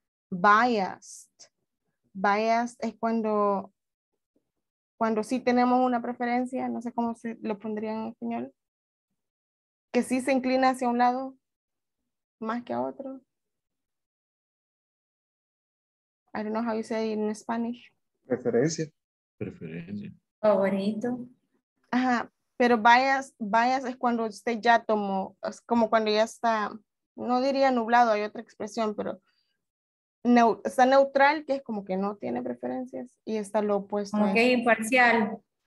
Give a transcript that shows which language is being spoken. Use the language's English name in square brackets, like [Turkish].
[Spanish] Biased es cuando sí tenemos una preferencia, no sé cómo se lo pondría en español, que sí se inclina hacia un lado más que a otro. [English] I don't know how you say it in Spanish. [Spanish] Preferencia. Favorito. Ajá, pero bias es cuando usted ya tomó, es como cuando ya está, no diría nublado, hay otra expresión, pero está neutral, que es como que no tiene preferencias, y está lo opuesto. Como que es imparcial.